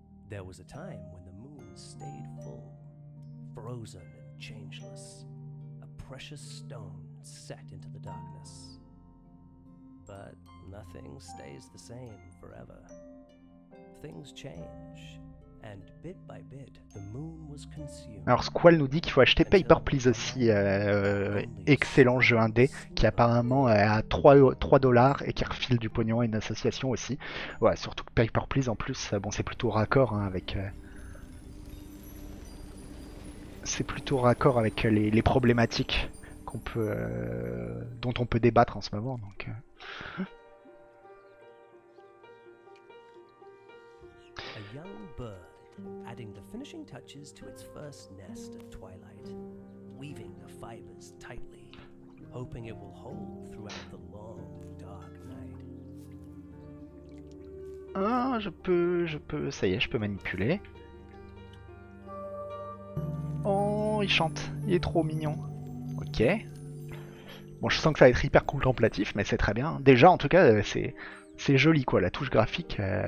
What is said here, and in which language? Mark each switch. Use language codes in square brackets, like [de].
[en] There was a time when the moon stayed full, frozen and changeless, a precious stone set into the darkness. But nothing stays the same forever. Things change, and bit by bit, the moon was consumed. [fr] Alors Squall nous dit qu'il faut acheter Paper Please aussi, excellent jeu indé, qui apparemment est à 3 $ et qui refile du pognon à une association aussi. Ouais, surtout que Paper Please en plus, bon c'est plutôt raccord hein, avec. C'est plutôt raccord avec les problématiques dont on peut débattre en ce moment. Donc. [en] A young bird. Adding the finishing touches to its first nest at twilight, weaving the fibers tightly, hoping it will hold throughout the long, dark night. [fr] Ah, je peux, ça y est, je peux manipuler. Oh, il chante, il est trop mignon. Ok. Bon, je sens que ça va être hyper contemplatif, mais c'est très bien. Déjà, en tout cas, c'est joli, quoi, la touche graphique.